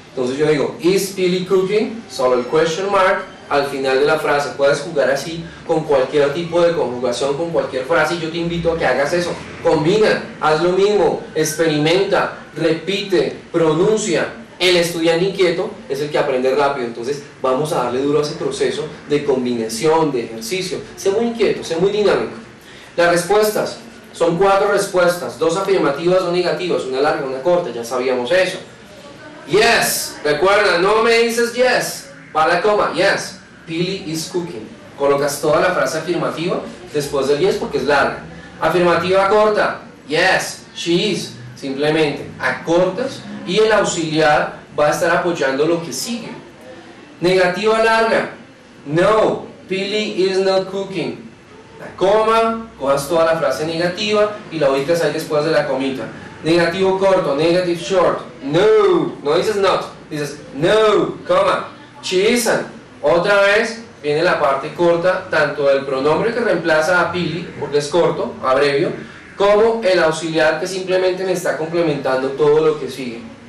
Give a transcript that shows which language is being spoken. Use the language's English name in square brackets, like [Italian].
[Spanish] Entonces yo digo, [English] is Billy cooking? [Spanish] Solo el question mark al final de la frase. Puedes jugar así con cualquier tipo de conjugación, con cualquier frase, y yo te invito a que hagas eso. Combina, haz lo mismo, experimenta, repite, pronuncia. El estudiante inquieto es el que aprende rápido. Entonces vamos a darle duro a ese proceso de combinación, de ejercicio. Sé muy inquieto, sé muy dinámico. Las respuestas son cuatro respuestas, dos afirmativas, dos negativas, una larga, una corta, ya sabíamos eso. Yes, recuerda, no me dices yes. Va la coma, [English] yes, Billy is cooking. [Spanish] Colocas toda la frase afirmativa después del yes porque es larga. Afirmativa corta, [English] yes, she is. [Spanish] Simplemente acortas y el auxiliar va a estar apoyando lo que sigue. Negativa larga, [English] no, Billy is not cooking. [Spanish] La coma, cojas toda la frase negativa y la ubicas ahí después de la comita. Negativo corto, [English] negative short. [Spanish] No, no dices not, dices no, coma. [English] She isn't. [Spanish] Otra vez viene la parte corta, tanto del pronombre que reemplaza a Pili, porque es corto, abrevio, como el auxiliar que simplemente me está complementando todo lo que sigue.